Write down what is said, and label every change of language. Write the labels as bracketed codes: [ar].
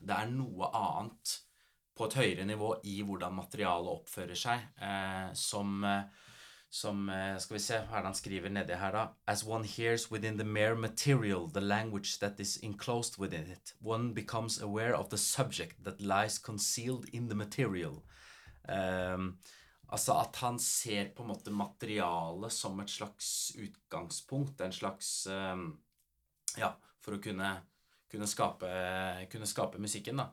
[no] Det noe annet på et høyere nivå i hvordan materialet oppfører seg, som skal vi se, han skriver nedi her da. [en] As one hears within the mere material the language that is enclosed within it, one becomes aware of the subject that lies concealed in the material. [no] Altså at han ser på en måte materialet som et slags utgangspunkt, en slags for å kunne skape musikken da.